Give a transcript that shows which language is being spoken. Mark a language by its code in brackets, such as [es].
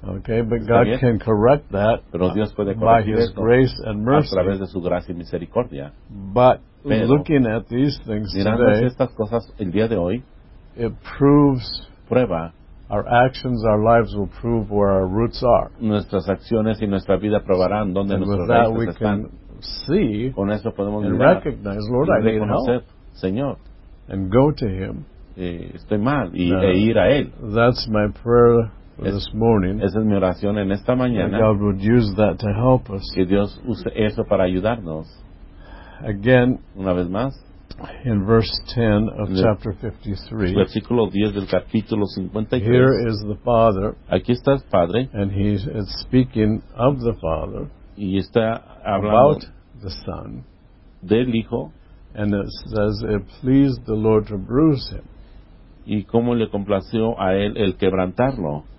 [en] Okay, but God can correct that. [es] Pero Dios puede corregir [en] by His grace and mercy. [es] A través de su gracia y misericordia. [en] But looking at these things [es] mirando [en] today, [es] estas cosas el día de hoy, [en] it proves [es] prueba. [en] Our actions, our lives will prove where our roots are. [es] Nuestras acciones y nuestra vida probarán dónde nuestras [en] that, [es] raíces [en] we [es] están. [en] Can see [es] con eso podemos [en] and recognize, Lord, I need help. [es] Señor, [en] and go to Him. [es] Estoy mal y, e ir a él. [en] That's my prayer this morning. [es] Esa es mi oración en esta mañana. [en] That God would use that to help us. [es] Que Dios use eso para ayudarnos. [en] Again, [es] una vez más, [en] In verse 10 of chapter 53, [es] versículo 10 del capítulo 53, [en] here is the Father, [es] aquí está el Padre, [en] and he is speaking of the Father, [es] y está hablando [en] about the Son, [es] del Hijo, [en] and it says, it pleased the Lord to bruise him. [es] Y cómo le complació a él el quebrantarlo.